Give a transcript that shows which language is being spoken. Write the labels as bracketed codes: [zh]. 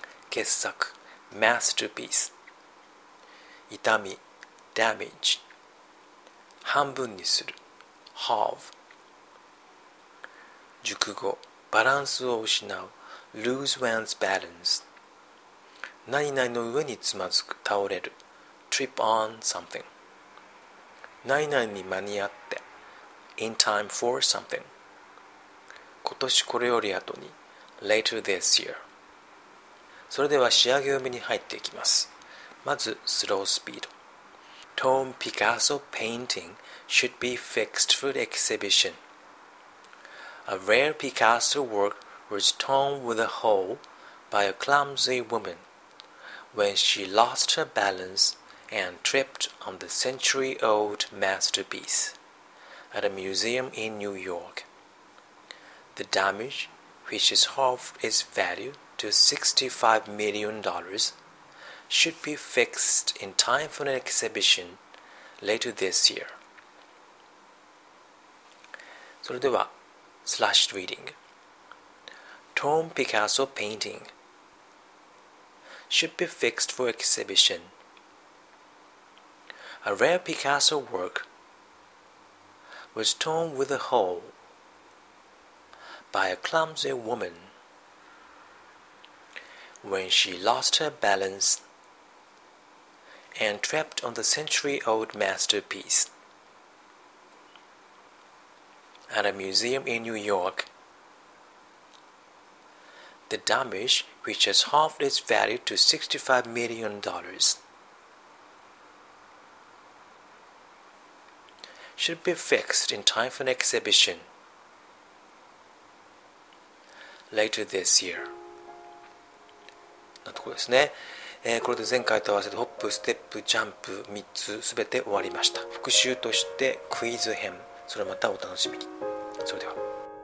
[ja] 傑作、masterpiece、 痛み、damage、 半分にする、 halve、 熟語、バランスを失う、 [en] lose one's balance、 [ja] 何々の上につまずく、倒れる、 [en] trip on something、 [ja] 何々に間に合って、 [en] in time for something、 [ja] 今年これより後に、 [en] later this year。 [ja] それでは仕上げ読みに入っていきます。まず、スロースピード。 [en] Tom Picasso painting should be fixed for exhibition. A rare Picasso work was torn with a hole by a clumsy woman when she lost her balance and tripped on the century-old masterpiece at a museum in New York. The damage, which is half its value,to $65 million, should be fixed in time for an exhibition later this year. [ja] それでは、スラッシュリーディング。 [en] Tom Picasso painting should be fixed for exhibition. A rare Picasso work was torn with a hole by a clumsy woman. When she lost her balance and tripped on the century-old masterpiece at a museum in New York, the damage, which has halved its value to $65 million, should be fixed in time for an exhibition later this year. [ja] なところですね、これで前回と合わせてホップ、ステップ、ジャンプ3つ全て終わりました。復習としてクイズ編、それまたお楽しみに。それでは。